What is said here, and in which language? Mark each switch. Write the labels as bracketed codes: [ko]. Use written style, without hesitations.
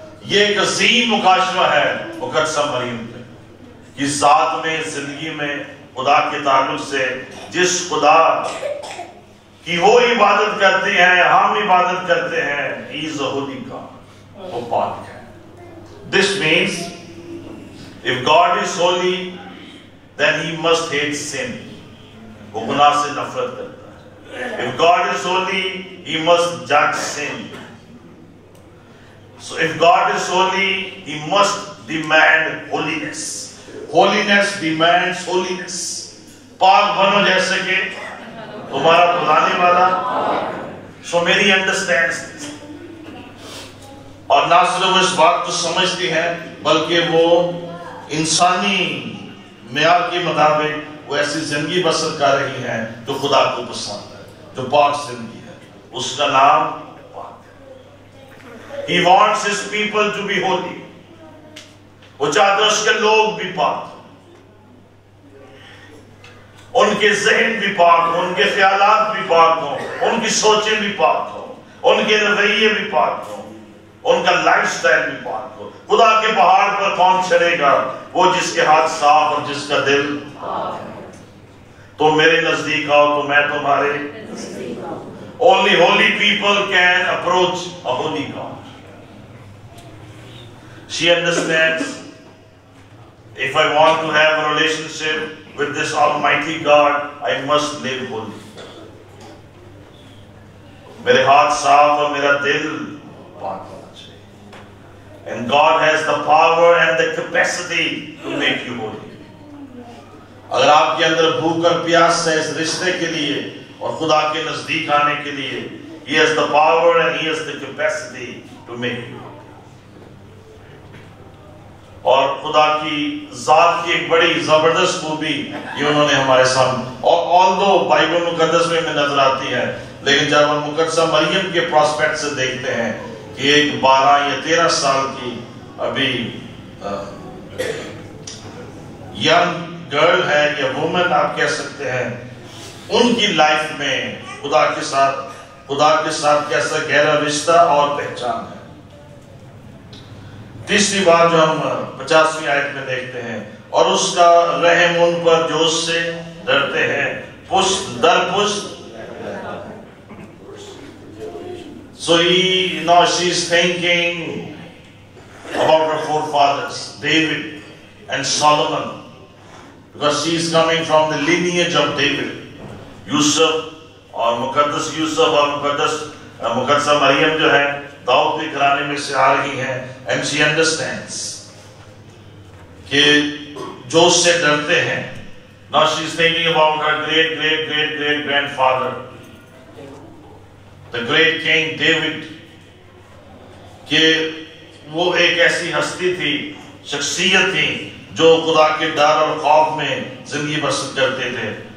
[ur] یہ ایک عظیم مکاشفہ ہے مقدس مریم کے, کہ ذات میں زندگی میں خدا کے تعلق سے جس خدا کی وہ عبادت کرتے ہیں ہم عبادت کرتے ہیں, [en] he is a holy God, [ur] وہ پاک ہے. [en] This means if God is holy then he must hate sin. [ur] وہ گناہ سے نفرت کرتا ہے. [en] If God is holy, he must judge sin. So if God is holy, he must demand holiness. Holiness demands holiness. [ur] پاک بنو جیسے کہ تمہارا بنانے والا. [en] So Mary understands this. [ur] اور نہ صرف اس بات کو سمجھتی ہے بلکہ وہ انسانی معیار کے مطابق وہ ایسی زندگی بسر کر رہی ہیں جو خدا کو پسند ہے, جو پاک زندگی ہے. اس کا نام پاک ہے. [en] He wants his people to be holy. [ur] وہ چاہتا ہے اس کے لوگ بھی پاک, ان کے ذہن بھی پاک ہوں, ان کے خیالات بھی پاک ہوں, ان کی سوچیں بھی پاک ہوں, ان کے رویے بھی پاک ہوں, ان کا لائف سٹائل بھی پاک ہو. خدا کے پہاڑ پر کون چڑھے گا؟ وہ جس کے ہاتھ صاف اور جس کا دل پاک ہے. تو میرے نزدیک آؤ تو میں تمہارے نزدیک آؤں. [en] Only holy people can approach a holy God. She understands, if I want to have a relationship with this almighty God, I must live holy. [ur] میرے ہاتھ صاف اور میرا دل پاک. [en] And God has the power and the capacity to make you holy. [ur] اگر آپ کے اندر بھوک اور پیاس ہے اس رشتے کے لیے اور خدا کے نزدیک آنے کے لیے, [en] He has the power and He has the capacity to make you holy. [ur] اور خدا کی ذات کی ایک بڑی زبردست خوبی یہ انہوں نے ہمارے سامنے, اور although بائبل مقدس میں ہمیں نظر آتی ہے, لیکن جب ہم مقدس مریم کے پراسپیکٹ سے دیکھتے ہیں, ایک 12 یا 13 سال کی ابھی ینگ گرل ہے یا وومن آپ کہہ سکتے ہیں, ان کی لائف میں خدا کے ساتھ کیسا گہرا رشتہ اور پہچان ہے. تیسری بار جو ہم 50 آیت میں دیکھتے ہیں, اور اس کا رحم ان پر جو اس سے ڈرتے ہیں پشت در پشت. [en] So she is thinking about her forefathers, David and Solomon, because she is coming from the lineage of David. [ur] Yusuf اور مقدس یوسف اور مقدس مقدسہ مریم جو ہے داؤد کے گھرانے میں سے آ رہی ہیں. [en] And she understands [ur] کہ جو اس سے ڈرتے ہیں. [en] Now she is thinking about her great-great-great-great-grandfather, the great king David, [ur] کہ وہ ایک ایسی ہستی تھی, شخصیت تھی, جو خدا کے ڈر اور خوف میں زندگی بسر کرتے تھے.